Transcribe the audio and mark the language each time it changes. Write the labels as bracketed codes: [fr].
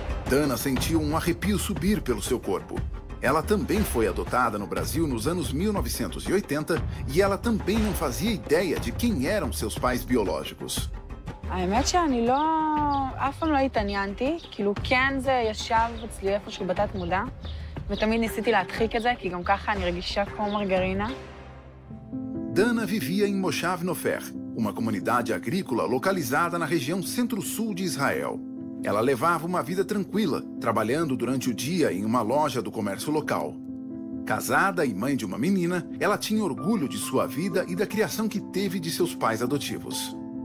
[pt] Dana sentiu um arrepio subir pelo seu corpo. Ela também foi adotada no Brasil nos anos 1980 e ela também não fazia ideia de quem eram seus pais biológicos. A verdade é que eu não... Eu não me interessei. Tipo, sim, isso é estava em mim, onde eu estava em mudar. [he] ותמיד ניסיתי להדחיק את זה, כי גם ככה אני רגישה כמו מרגרינה. [pt] Dana vivia em Moshav Nofer, uma comunidade agrícola localizada na região centro-sul de Israel. Ela levava uma vida tranquila, trabalhando durante o dia em uma loja do comércio local. Casada e mãe de uma menina, ela tinha orgulho de sua vida e da criação que teve de seus pais adotivos.